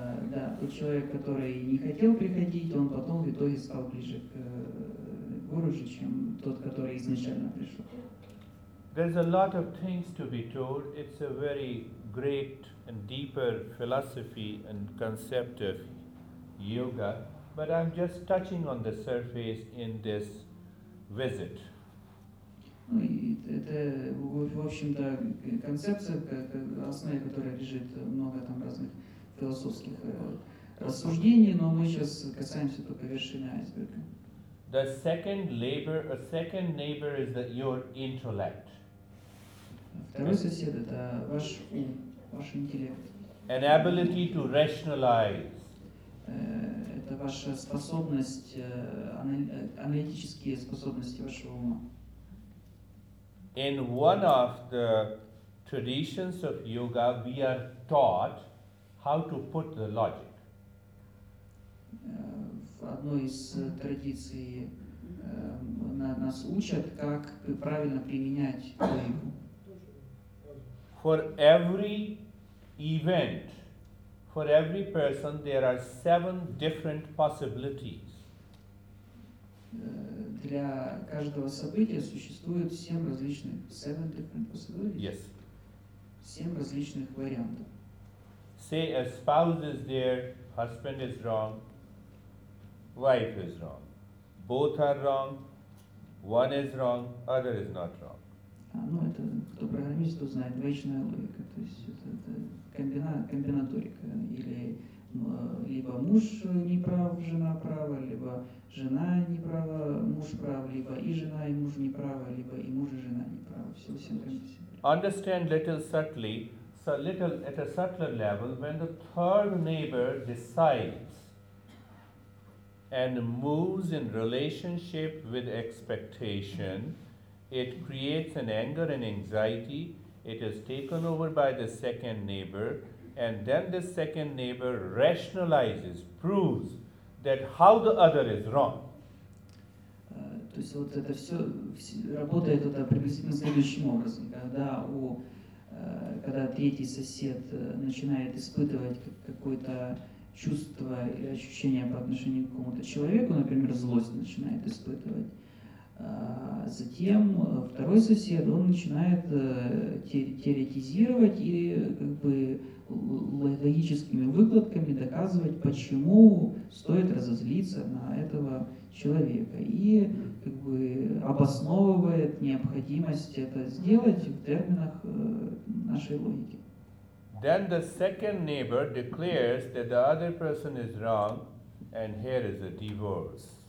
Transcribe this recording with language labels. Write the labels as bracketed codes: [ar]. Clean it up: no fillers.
[ru] Да, тот человек, который не хотел приходить, он потом в итоге стал ближе к Гуруджи, чем тот, который изначально пришел. [en] There's a lot of things to be told. It's a very great and deeper philosophy and concept of yoga, but I'm just touching on the surface in this visit. [ru] Это, в общем-то, концепция, основа которой лежит много там разных философских рассуждений, но мы сейчас касаемся только вершины айсберга. [en] The second labor, a second neighbor is that your intellect. [ru] Второй сосед — это ваш ум, ваш интеллект. [en] An ability to rationalize. [ru] Это ваша способность, аналитические способности вашего ума. [en] In one of the traditions of yoga, we are taught how to put the logic. [ru] В одной из традиций нас учат, как правильно применять логику. [en] For every event, for every person, there are 7 different possibilities. [ru] Для каждого события существует 7 различных, [en] 7 different possibilities. Yes. [ru] 7 различных вариантов. [en] Say a spouse is there, husband is wrong, wife is wrong. Both are wrong, one is wrong, other is not wrong. [ru] Ну, это кто программист, тот знает, двоичная логика, то есть это комбинаторика, или либо муж не прав, жена права, либо жена не права, муж прав, либо и жена, и муж не права, либо и муж, и жена не права, все синхронизировано. [en] Understand little subtly, so little at a subtler level, when the third neighbor decides and moves in relationship with expectation, it creates an anger and anxiety. It is taken over by the second neighbor, and then the second neighbor rationalizes, proves that how the other is wrong. [ru] То есть вот это все работает это приблизительно следующим образом: когда у когда третий сосед начинает испытывать какое-то чувство или ощущение по отношению к какому-то человеку, например, злость начинает испытывать. Затем второй сосед, он начинает теоретизировать и как бы логическими выкладками доказывать, почему стоит разозлиться на этого человека. И как бы обосновывает необходимость это сделать в терминах нашей логики. [en] Then the second neighbor declares that the other person is wrong, and here is a divorce.